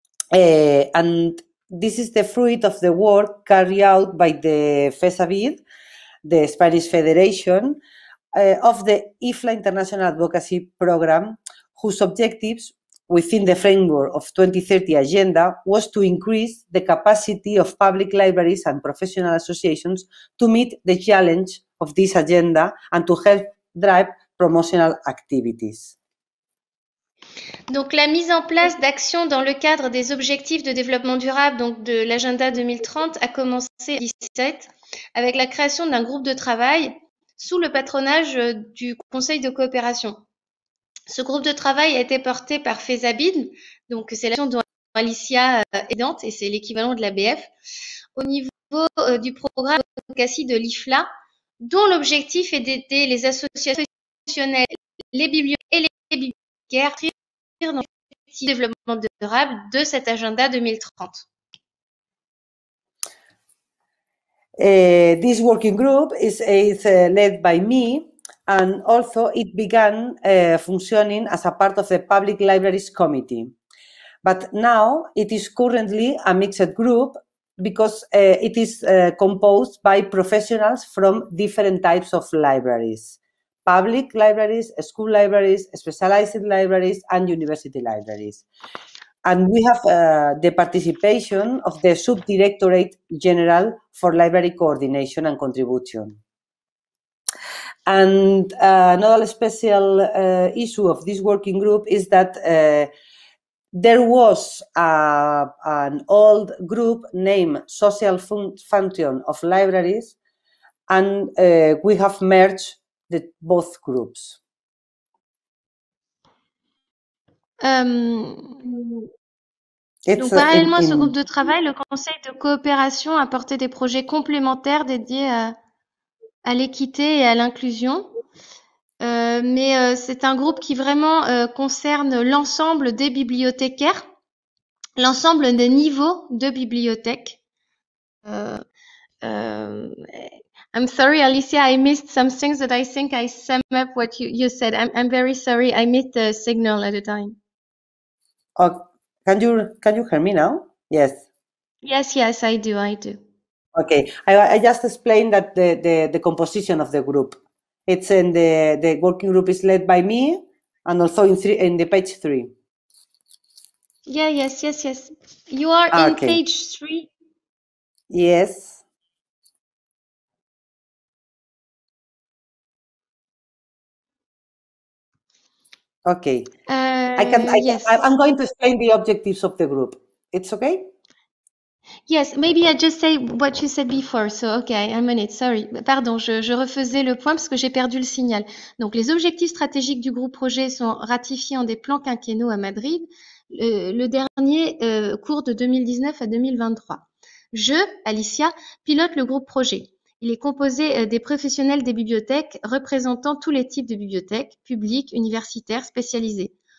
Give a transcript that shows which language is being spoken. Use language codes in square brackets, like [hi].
[en] And this is the fruit of the work carried out by the FESAVID, the Spanish Federation, of the IFLA International Advocacy Program, whose objectives within the framework of 2030 agenda was to increase the capacity of public libraries and professional associations to meet the challenge of this agenda and to help drive promotional activities. [fr] Donc la mise en place d'actions dans le cadre des objectifs de développement durable, donc de l'agenda 2030, a commencé en 2017 avec la création d'un groupe de travail sous le patronage du Conseil de coopération. Ce groupe de travail a été porté par FESABID, donc c'est l'action dont Alicia est aidante et c'est l'équivalent de l'ABF. Au niveau niveau du programme d'advocacy de l'IFLA, dont l'objectif est d'aider les associations professionnelles, les bibliothèques et les bibliothécaires à s'inscrire dans l'objectif de développement durable de cet agenda 2030. [en] This working group is led by me, and also it began functioning as a part of the Public Libraries Committee. But now it is currently a mixed group because it is composed by professionals from different types of libraries: public libraries, school libraries, specialized libraries, and university libraries. And we have the participation of the Subdirectorate General for Library Coordination and Contribution. And another special issue of this working group is that there was an old group named Social Function of Libraries, and we have merged the both groups. [fr] Donc, parallèlement à ce groupe de travail, le Conseil de coopération a porté des projets complémentaires dédiés à l'équité et à l'inclusion. Mais c'est un groupe qui vraiment concerne l'ensemble des bibliothécaires, l'ensemble des niveaux de bibliothèque. [en] I'm sorry, Alicia, I missed some things that I think I sum up what you said. I'm very sorry, I missed the signal at the time. Can you hear me now? Yes. Yes, I do. Okay, I just explained that the composition of the group. It's in the working group is led by me, and also in the page three. Yes. You are in okay. Page three. Yes. Okay, I'm going to explain the objectives of the group. It's okay? Yes, maybe I just say what you said before. So, okay, I'm on it. Sorry. [fr] Pardon, je refaisais le point parce que j'ai perdu le signal. Donc, les objectifs stratégiques du groupe projet sont ratifiés en des plans quinquennaux à Madrid, le dernier cours de 2019 à 2023. Je, Alicia, pilote le groupe projet. Il est composé des professionnels des bibliothèques représentant tous les types de bibliothèques, publiques, universitaires, spécialisées.